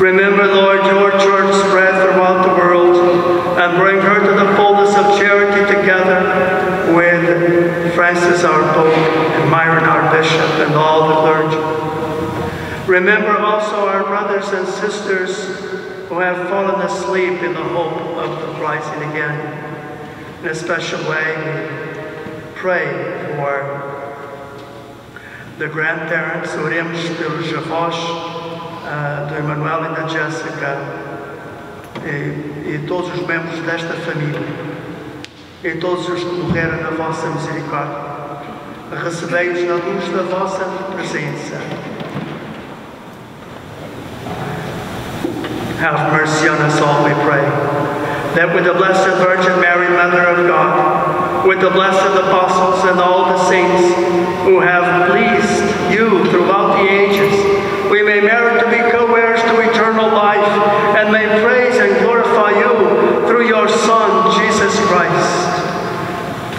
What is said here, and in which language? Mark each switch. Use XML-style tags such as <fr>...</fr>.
<en>Remember, Lord, your church spread throughout the world, and bring her to the fullness of charity together with Francis, our Pope, and Myron, our Bishop, and all the clergy. Remember also our brothers and sisters who have fallen asleep in the hope of the rising again. In a special way, we pray for the grandparents,</en> <pt>Urims, Javosh, do Emanuel e da Jessica, e todos os membros desta família, e todos os que morreram na vossa misericórdia, recebei-os na luz da vossa presença.</pt> <en>Have mercy on us all, we pray, that with the Blessed Virgin Mary, Mother of God, with the blessed apostles and all the saints who have pleased you throughout the ages, we may merit to be co-heirs to eternal life and may praise and glorify you through your Son, Jesus Christ.</en>